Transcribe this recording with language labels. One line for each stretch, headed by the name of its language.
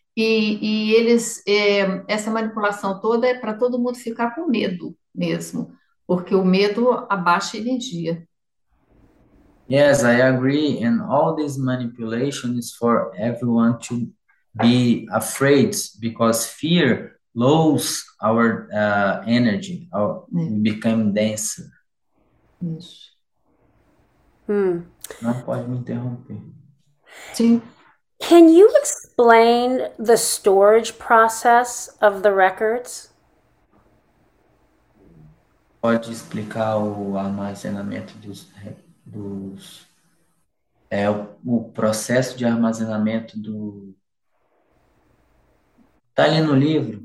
Portuguese: E eles, essa manipulação toda é para todo mundo ficar com medo mesmo, porque o medo abaixa a energia.
English: Yes, I agree. And all this manipulation is for everyone to be afraid, because fear lowers our energy, or we become denser.
Portuguese: Isso. Não pode me interromper. Sim.
English: Can you explain the storage process of the records?
Portuguese: Pode explicar o armazenamento dos o processo de armazenamento tá ali no livro